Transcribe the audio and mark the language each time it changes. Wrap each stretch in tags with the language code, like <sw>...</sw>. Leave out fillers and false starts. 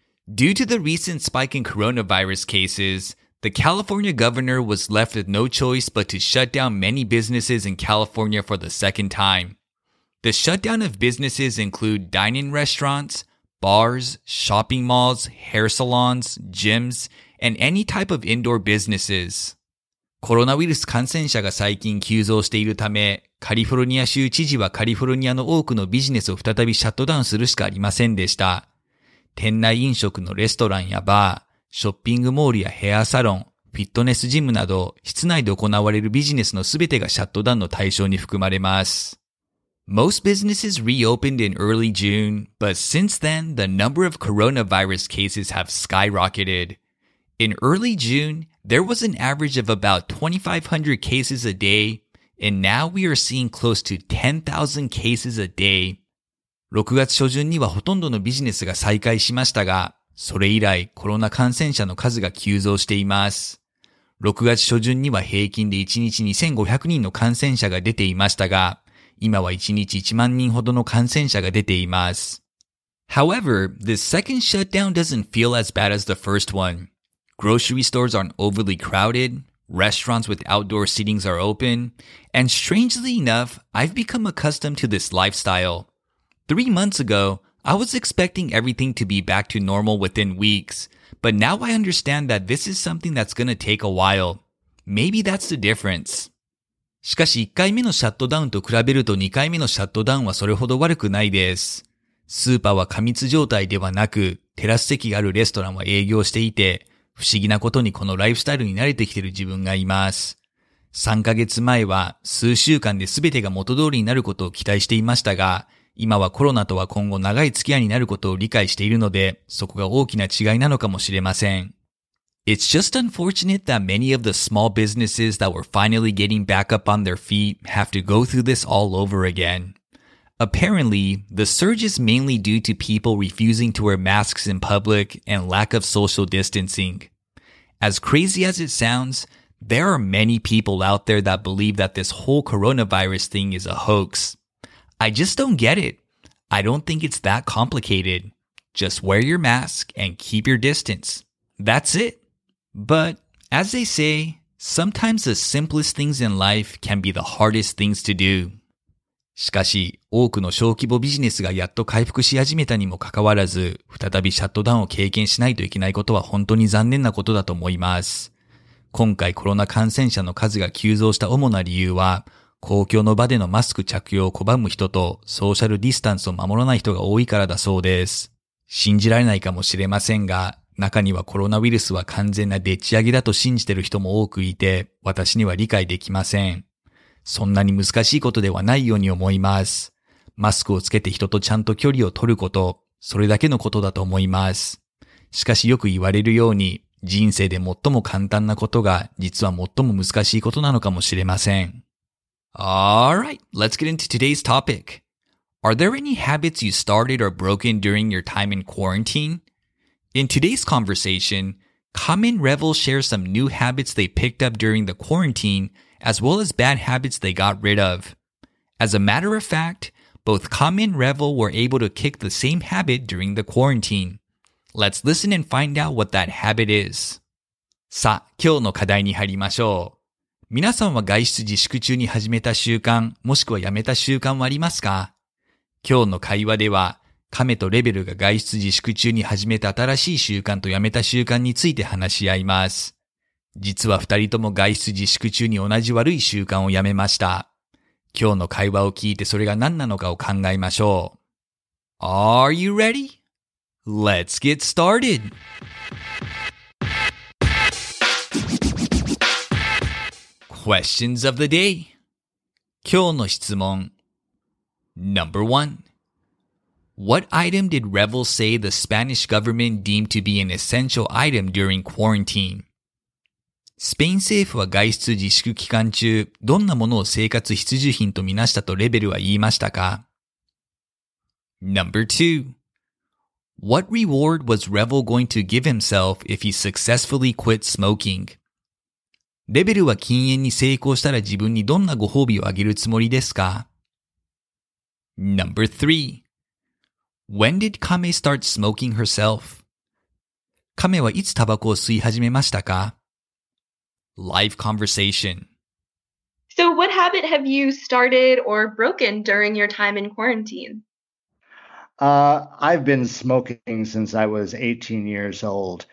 <en>Due to the recent spike in coronavirus cases, the California governor was left with no choice but to shut down many businesses in California for the second time. The shutdown of businesses include dining restaurants, bars, shopping malls, hair salons, gyms, and any type of indoor businesses.</en> <ja>コロナウイルス感染者が最近急増しているため、カリフォルニア州知事はカリフォルニアの多くのビジネスを再びシャットダウンするしかありませんでした。店内飲食のレストランやバー、ショッピングモールやヘアサロン、フィットネスジムなど、室内で行われるビジネスのすべてがシャットダウンの対象に含まれます。</ja> <en>Most businesses reopened in early June, but since then, the number of coronavirus cases have skyrocketed. In early June, there was an average of about 2,500 cases a day, and now we are seeing close to 10,000 cases a day.</en> <ja>6月初旬にはほとんどのビジネスが再開しましたが、それ以来コロナ感染者の数が急増しています。 6月初旬には平均で1日2500人の感染者が出ていましたが、今は1日1万人ほどの感染者が出ています。</ja> <en>However, this second shutdown doesn't feel as bad as the first one. Grocery stores aren't overly crowded, restaurants with outdoor seatings are open, and strangely enough, I've become accustomed to this lifestyle. 3 months ago, I was expecting everything to be back to normal within weeks, but now I understand that this is something that's gonna take a while. Maybe that's the difference.</en> <ja>しかし1回目のシャットダウンと比べると2回目のシャットダウンはそれほど悪くないです。スーパーは過密状態ではなく、テラス席があるレストランは営業していて、不思議なことにこのライフスタイルに慣れてきている自分がいます。 3ヶ月前は数週間で全てが元通りになることを期待していましたが、今はコロナとは今後長い付き合いになることを理解しているので、そこが大きな違いなのかもしれません。</ja> <en>It's just unfortunate that many of the small businesses that were finally getting back up on their feet have to go through this all over again. Apparently, the surge is mainly due to people refusing to wear masks in public and lack of social distancing. As crazy as it sounds, there are many people out there that believe that this whole coronavirus thing is a hoax. I just don't get it. I don't think it's that complicated. Just wear your mask and keep your distance. That's it. But, as they say, sometimes the simplest things in life can be the hardest things to do.</en> <ja>しかし、多くの小規模ビジネスがやっと回復し始めたにもかかわらず、再びシャットダウンを経験しないといけないことは本当に残念なことだと思います。今回コロナ感染者の数が急増した主な理由は、公共の場でのマスク着用を拒む人とソーシャルディスタンスを守らない人が多いからだそうです。信じられないかもしれませんが、中にはコロナウイルスは完全なでっち上げだと信じてる人も多くいて、私には理解できません。そんなに難しいことではないように思います。マスクをつけて人とちゃんと距離を取ること、それだけのことだと思います。しかしよく言われるように、人生で最も簡単なことが、実は最も難しいことなのかもしれません。</ja> <en>Alright, let's get into today's topic. Are there any habits you started or broken during your time in quarantine? In today's conversation, Common Revel shares some new habits they picked up during the quarantine, as well as bad habits they got rid of. As a matter of fact, both Common Revel were able to kick the same habit during the quarantine. Let's listen and find out what that habit is.</en> <ja>さあ、今日の課題に入りましょう。皆さんは外出自粛中に始めた習慣、もしくはやめた習慣はありますか? 今日の会話では、亀とレベルが外出自粛中に始めた新しい習慣とやめた習慣について話し合います。実は二人とも外出自粛中に同じ悪い習慣をやめました。今日の会話を聞いてそれが何なのかを考えましょう。</ja> <en>Are you ready? Let's get started! Questions of the day.</en> <ja>今日の質問。</ja> <en>Number one. What item did Revel say the Spanish government deemed to be an essential item during quarantine?</en> <ja>スペイン政府は外出自粛期間中、どんなものを生活必需品とみなしたとレベルは言いましたか</ja> <en>?Number 2. What reward was Revel going to give himself if he successfully quit smoking?</en> <ja>レベルは禁煙に成功したら自分にどんなご褒美をあげるつもりですか</ja> <en>?Number 3. When did Kame start smoking herself?</en> <ja>カメはいつタバコを吸い始めましたか</ja> <en>Live conversation. So what habit have you started or broken during your time in quarantine? I've been smoking since I was 18 years old.</en>